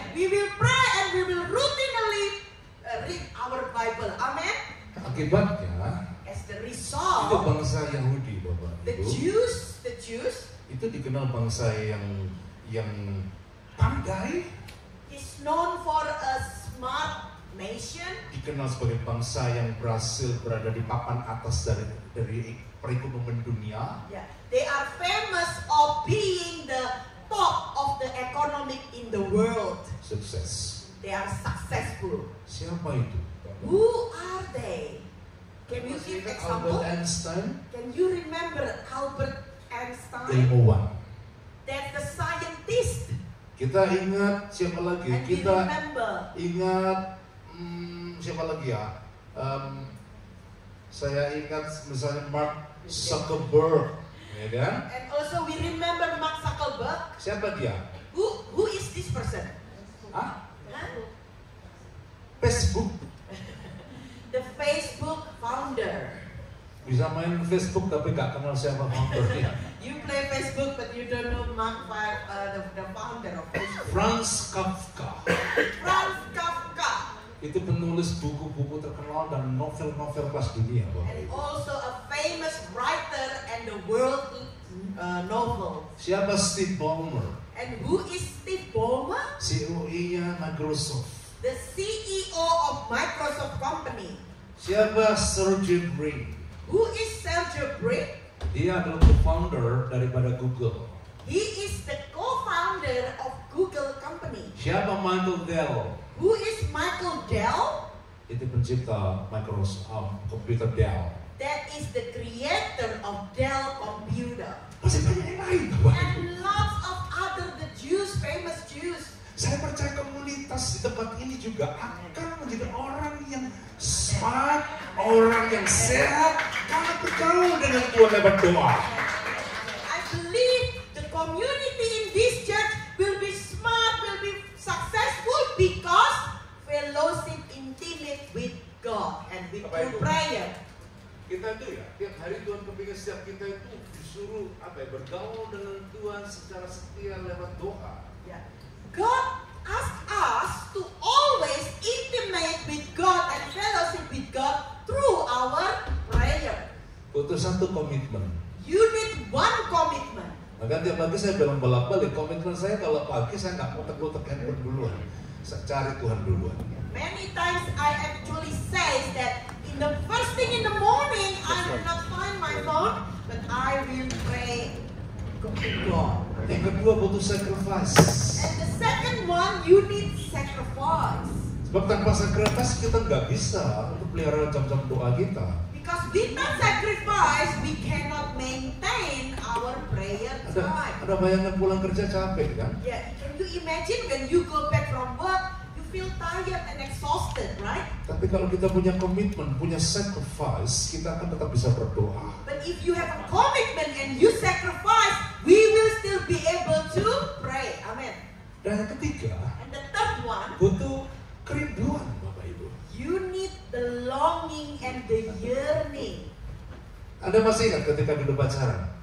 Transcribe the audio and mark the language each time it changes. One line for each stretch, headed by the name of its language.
English: We will pray and we will routinely read our Bible. Amen.
Indonesian: Akibatnya,
English: as the result,
Indonesian: itu bangsa Yahudi, Bapak Ibu.
English: The Jews,
Indonesian: itu dikenal bangsa yang pandai.
English: Is known for a smart nation.
Indonesian: Dikenal sebagai bangsa yang berhasil berada di papan atas dari perekonomian dunia.
English: Yeah. They are famous of being the top of the economic in the world. Success. They are successful.
Indonesian: Siapa itu?
English: Who are they? Can you give example? Albert Einstein. Can you remember Albert Einstein? They are one. They're the scientist.
Indonesian: Kita ingat siapa lagi?
English: And
Indonesian: kita
English: remember.
Indonesian: Ingat siapa lagi ya? Saya ingat misalnya Mark Zuckerberg, ya kan?
English: And also we remember Mark Zuckerberg.
Indonesian: Siapa dia?
English: Who is this person? Facebook. The Facebook founder.
Indonesian: Bisa main Facebook tapi gak kenal siapa founder-nya.
English: You play Facebook but you don't know Mark the founder of Facebook. Franz Kafka. Franz Kafka.
Indonesian: Itu penulis buku-buku terkenal dan novel-novel kelas dunia.
English: And also a famous writer and the world novel.
Indonesian: Siapa Steve Ballmer?
English: And who is Steve Ballmer?
Indonesian: CEO-nya Microsoft.
English: The CEO of Microsoft Company.
Indonesian: Siapa Sergey Brin?
English: Who is Sergey Brin?
Indonesian: Dia adalah co-founder daripada Google.
English: He is the co-founder of Google Company.
Indonesian: Siapa Michael Dell?
English: Who is Michael Dell?
Indonesian: Itu pencipta Microsoft Computer Dell.
English: That is the creator of Dell Computer.
Indonesian: Masih banyak yang lain, Pak.
English: And lots of other the Jews, famous Jews.
Indonesian: Saya percaya komunitas di tempat ini juga akan menjadi orang yang smart, orang yang sehat, karena bergaul dengan Tuhan lewat doa.
English: I believe the community in this church will be smart, will be successful because fellowship intimate with God and with
Indonesian: apa itu?
English: Prayer.
Indonesian: Kita itu ya, tiap hari Tuhan kepingin setiap kita itu disuruh apa ya, bergaul dengan Tuhan secara setia lewat doa.
English: Yeah. God asks us to always intimate with God and fellowship with God through our prayer.
Indonesian: Butuh satu komitmen.
English: You need one commitment.
Indonesian: Maka tiap pagi saya bilang bolak-balik, komitmen saya kalau pagi saya nggak mau tekuk-tekuk handphone duluan. Saya cari Tuhan duluan.
English: Many times I actually say that in the first thing in the morning, I will not find my phone, but I will pray God.
Indonesian: Yang kedua butuh sacrifice.
English: And the second one you need sacrifice.
Indonesian: Sebab tanpa sakrifikasi kita nggak bisa untuk pelihara jam-jam doa kita.
English: Because without sacrifice, we cannot maintain our prayer time.
Indonesian: Ada bayangan pulang kerja capek kan?
English: Yeah, can you imagine when you go back from work, you feel tired and exhausted, right?
Indonesian: Tapi kalau kita punya komitmen, punya sacrifice, kita akan tetap bisa berdoa.
English: But if you have a commitment and you sacrifice, we will still be able to pray. Amen.
Indonesian: Dan yang ketiga,
English: and the third one,
Indonesian: butuh kerinduan, Bapak Ibu.
English: You need the longing and the yearning.
Indonesian: Anda masih ingat ketika dulu pacaran?